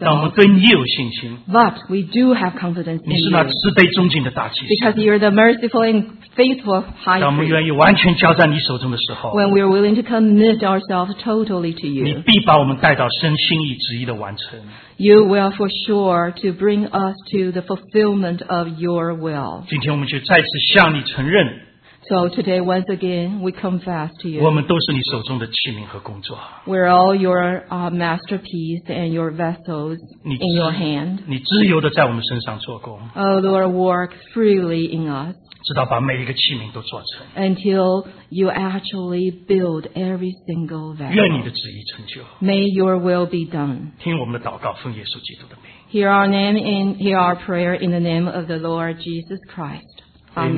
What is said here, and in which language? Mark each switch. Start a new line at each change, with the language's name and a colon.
Chinese: 但我们对你有信心。
English: But we do have confidence in you.
Chinese: 你是那慈悲忠敬的大祭司。
English: Because you're the merciful and faithful high priest.
Chinese: 当我们愿意完全交在你手中的时候。
English: When we are willing to commit ourselves totally to you.
Chinese: 你必把我们带到神心意旨意的完成。
English: You will for sure to bring us to the fulfillment of your will.
Chinese: 今天我们就再次向你承认。
English: So today, once again, we confess to you.
Chinese: 我们都是你手中的器皿和工作。
English: We're all your masterpiece and your vessels in your hand.
Chinese: 你自由地在我们身上做工。
English: Oh Lord, work freely in us.
Chinese: 直到把每一个器皿都做成。
English: Until you actually build every single vessel.
Chinese: 愿你的旨意成就。
English: May your will be done.
Chinese: 听我们的祷告，奉耶稣基督的名。
English: Hear our name and hear our prayer in the name of the Lord Jesus Christ. Amen.